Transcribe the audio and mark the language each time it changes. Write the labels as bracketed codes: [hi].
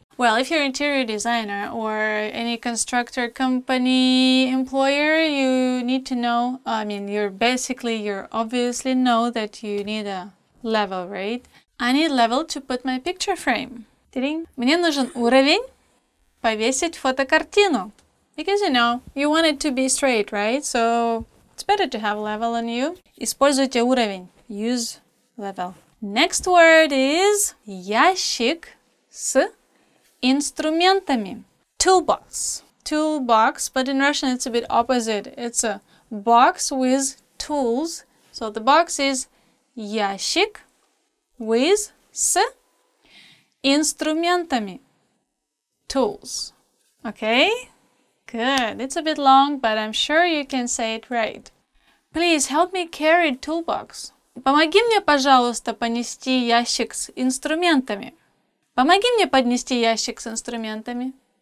[en] Well, if you're an interior designer or any constructor company employer, you need to know, I mean, you're basically, you obviously know that you need a level, right? I need level to put my picture frame. Ding. [ru] Мне нужен уровень повесить фотокартину. [en] Because, you know, you want it to be straight, right? So, it's better to have level on you. [ru] Используйте уровень. [en] Use level. Next word is [ru] ящик с инструментами. [en] Toolbox. Toolbox, but in Russian it's a bit opposite. It's a box with tools. So the box is ящик with с инструментами. Tools. Okay? Good. It's a bit long, but I'm sure you can say it right. Please help me carry toolbox. [ru] Помоги мне, пожалуйста, понести ящик с инструментами. Помоги мне поднести ящик с инструментами.